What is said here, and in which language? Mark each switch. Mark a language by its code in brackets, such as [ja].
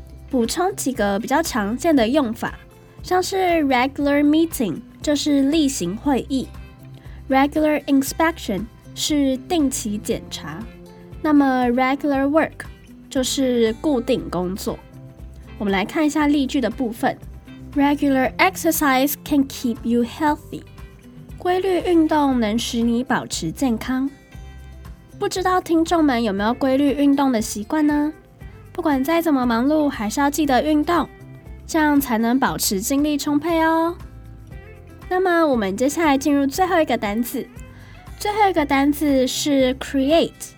[zh] 补充几个比较常见的用法，像是 regular meeting 就是例行会议， regular inspection 是定期检查，那么 regular work 就是固定工作。我们来看一下例句的部分。 [en] Regular exercise can keep you healthy， [zh] 规律运动能使你保持健康。不知道听众们有没有规律运动的习惯呢？不管再怎么忙碌，还是要记得运动，这样才能保持精力充沛哦。那么我们接下来进入最后一个单字。最后一个单字是 create。